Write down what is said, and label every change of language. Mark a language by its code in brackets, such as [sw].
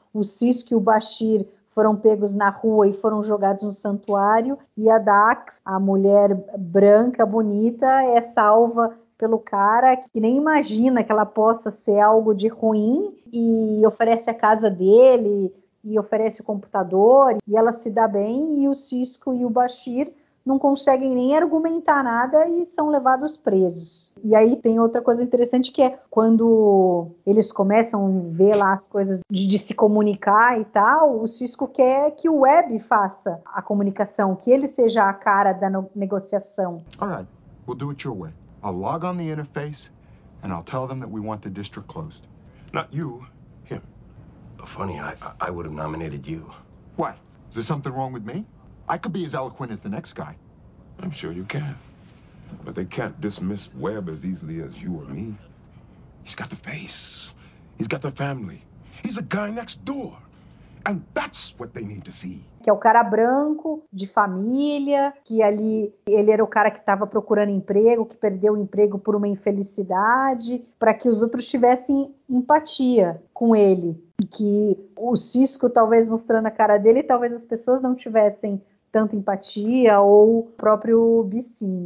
[pt] o Cisco e o Bashir foram pegos na rua e foram jogados no santuário, e a Dax, a mulher branca, bonita, é salva pelo cara que nem imagina que ela possa ser algo de ruim, e oferece a casa dele, e oferece o computador, e ela se dá bem, e o Cisco e o Bashir não conseguem nem argumentar nada e são levados presos. E aí tem outra coisa interessante, que é quando eles começam a ver lá as coisas de se comunicar e tal, o Cisco quer que o Web faça a comunicação, que ele seja a cara da negociação. [en] All right, we'll do it your way. I'll log on the interface and I'll tell them that we want the district closed. Not you, him. But funny, I would have nominated you. Why? Is there something wrong with me? I could be as eloquent as the next guy. I'm sure you can. But they can't dismiss Webb as easily as you or me. He's got the face. He's got the family. He's a guy next door. And that's what they need to see. [pt] Que é o cara branco, de família, que ali ele era o cara que estava procurando emprego, que perdeu o emprego por uma infelicidade, para que os outros tivessem empatia com ele. E que o Cisco, talvez mostrando a cara dele, talvez as pessoas não tivessem tanta empatia, ou o próprio Bissin.